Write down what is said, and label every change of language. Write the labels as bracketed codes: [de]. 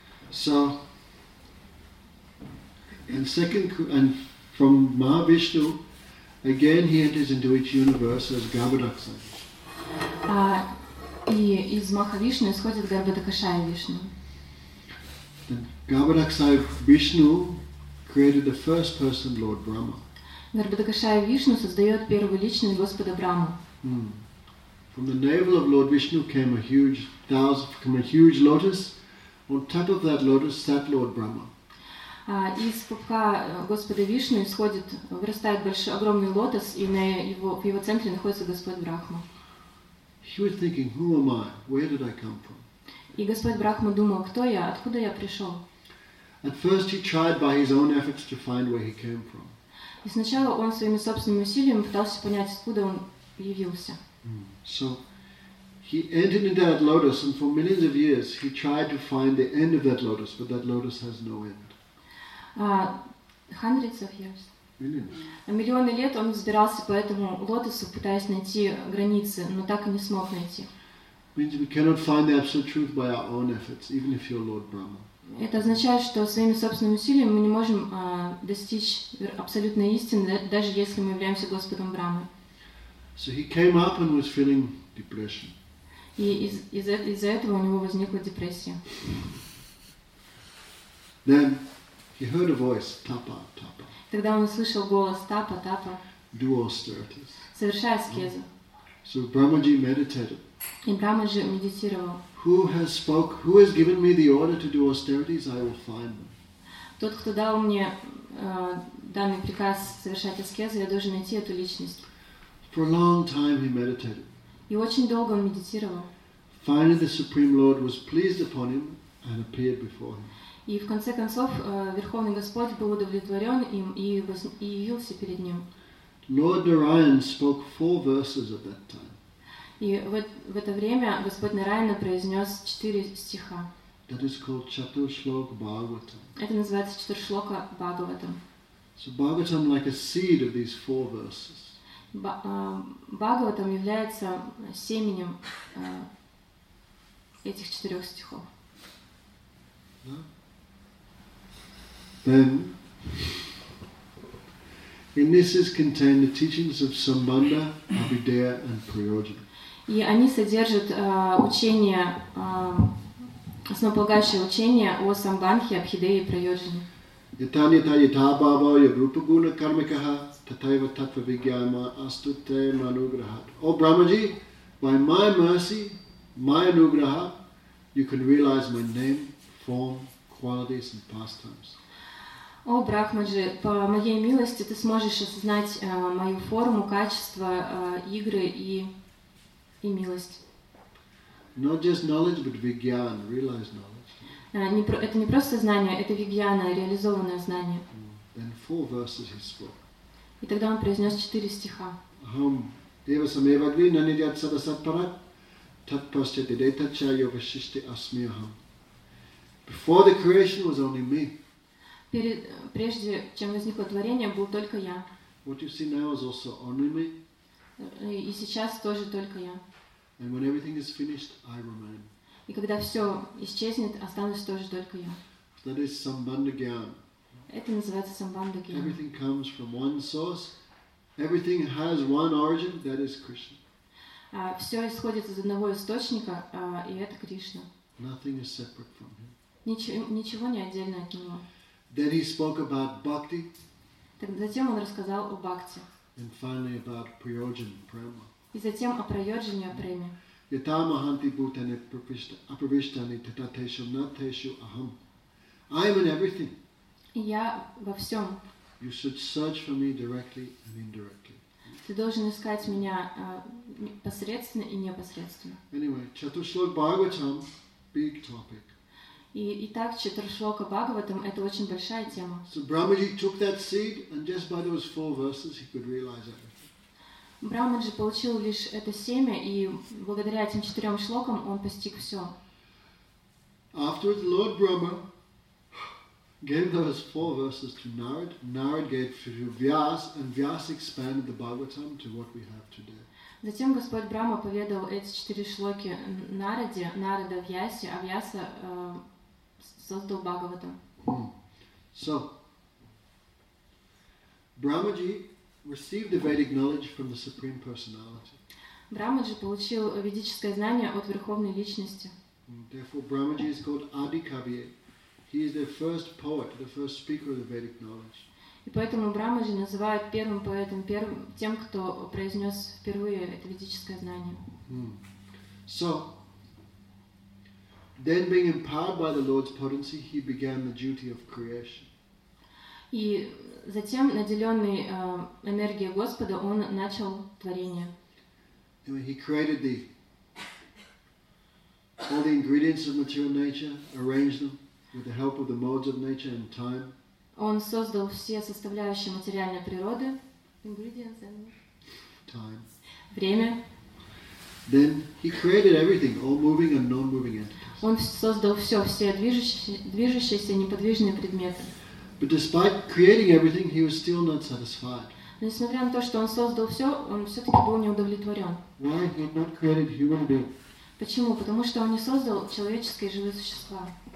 [en] So, and second, and from Mahavishnu, again he enters into each universe as Garbhadaksha. [ru] Из Махавишну исходит Гарбхадакшая Вишну. [en] Then Garbhadaksha Vishnu created the first person, Lord Brahma. [ru] Гарбхадакшая Вишну создает первую личность Господа Брахму. [en] From the navel of Lord Vishnu came a huge lotus. On top of that lotus sat Lord Brahma. [ru] Из пупка Господа Вишну исходит, вырастает большой, огромный лотос, и в его центре находится Господь Брахма. [en] He was thinking, who am I? Where did I come from? [ru] И Господь Брахма думал, кто я? Откуда я пришел? [en] At first he tried by his own efforts to find where he came from. [ru] И сначала он своими собственными усилиями пытался понять, откуда он явился. [en] So, he entered into that lotus, and for millions of years he tried to find the end of that lotus, but that lotus has no end. Hundreds of years. Millions. [ru] Миллионы лет он взбирался по этому лотосу, пытаясь найти границы, но так и не смог найти. [en] Means we cannot find the absolute truth by our own efforts, even if you're Lord Brahma. [ru] Это означает, что своими собственными усилиями мы не можем достичь абсолютной истины, даже если мы являемся Господом Брахмой. [en] So he came up and was feeling depression. [ru] И из-за этого у него возникла депрессия. [en] Then he heard a voice, tapa, tapa. [ru] Тогда он услышал голос тапа, тапа. [en] Do austerities. [ru] Совершай аскезу. [en] So Brahmaji meditated. [ru] И Брахмаджи медитировал. [en] Who has spoke? Who has given me the order to do austerities? I will find them. [ru] Тот, кто дал мне данный приказ совершать аскезу, я должен найти эту личность. [en] For a long time he meditated. [ru] И очень долго он медитировал. [en] Finally, the Supreme Lord was pleased upon him and appeared before him. [ru] И в конце концов Верховный Господь был удовлетворен им и явился перед ним. [en] Lord Narayan spoke 4 verses at that time. [ru] И в это время Господь Нараяна произнес 4 стиха. [en] That is called Chaturshloka Bhagavatam. [ru] Это называется Четуршлока Бхагаватам. [en] So Bhagavatam like a seed of these 4 verses. [ru] Бхагаватам является семенем этих 4 стихов. [en] Then, in this is contained the teachings of Sambandha, Abhideya, and Prayojana. [ru] И они содержат учения, основополагающие учения о Самбандхе, Абхидее и Прайоджане. [sa] Итани тани та бхава я группа гуна кармикаха. Tataiva tattva vigyama astute manugraha. [en] O Brahmaji, by my mercy, my anugraha, you can realize my name, form, qualities and pastimes. [ru] О, Брахмаджи, по моей милости ты сможешь осознать мою форму, качество, игры и милость. [en] Not just knowledge, but vigyan, realized knowledge. [ru] Это не просто знание, это вигьяна, реализованное знание. [en] Then four verses he spoke. [ru] И тогда он произнес четыре стиха. [sa] Ахам, дева самевагви, нанидят садасаппара, татпасча дедетача йогашишти асми ахам. [en] Before the creation was only me. [ru] Прежде чем возникло творение, был только я. [en] What you see now is also only me. [ru] И сейчас тоже только я. [en] And when everything is finished, I remain. [ru] И когда все исчезнет, останусь тоже только я. [en] That is Sambandha Gyan. [ru] Это называется Sambandha Gyan. [en] Everything comes from one source. Everything has one origin. That is Krishna. [ru] Все исходит из одного источника, и это Кришна. [en] Nothing is separate from him. [ru] Ничего не отдельно от него. [en] Then he spoke about bhakti. [ru] Затем он рассказал о бхакти. [en] And finally about prayojan prema. [ru] И затем о прайоджане, о преме. [sa] Yatamahanti bhutane apravishtani tatateshu nateshu aham. [en] I am in everything. [ru] Я во всем. [en] You should search for me directly and indirectly. [ru] Ты должен искать меня посредственно и непосредственно. [en] Anyway, chatushlok bhagavatam, big topic. [ru] Итак, Четуршлока Бхагаватам – это очень большая тема. [en] So Brahmaji took that seed, and just by those four verses, he could realize everything. [ru] Брахмаджи получил лишь это семя, и благодаря этим четырем шлокам он постиг все. [en] Afterwards, Lord Brahma gave those four verses to Narad. Narad gave it to Vyas, and Vyas expanded the Bhagavatam to what we have today. [ru] Затем Господь Брахма поведал эти четыре шлоки Нараде, Нарада Вьясе, а Вьяса создал Бхагаватам. [en] So, Брахмаджи received the Vedic knowledge from the Supreme Personality. [ru] Брахмаджи получил ведическое знание от Верховной Личности. [en] Therefore, Брахмаджи is called Adikavi. He is the first poet, the first speaker of the Vedic knowledge. [ru] И поэтому Брахмаджи называют первым поэтом, первым тем, кто произнес впервые это ведическое знание. [en] So, then being empowered by the Lord's potency, he began the duty of creation. [ru] И затем, наделенный энергией Господа, он начал творение. [en] Anyway, he created all the ingredients of material nature, arranged them with the help of the modes of nature and time. [ru] Он создал все составляющие материальной природы. [en] Time. [ru] Время. [en] Then he created everything, all moving and non-moving entities. [ru] Он создал все, все движущиеся, неподвижные предметы. [en] But despite creating everything, he was still not satisfied. [ru] Но несмотря на то, что он создал все, он все-таки был неудовлетворен. [en] Why he had not created human beings? [ru] Почему? Потому что он не создал человеческие живые существа.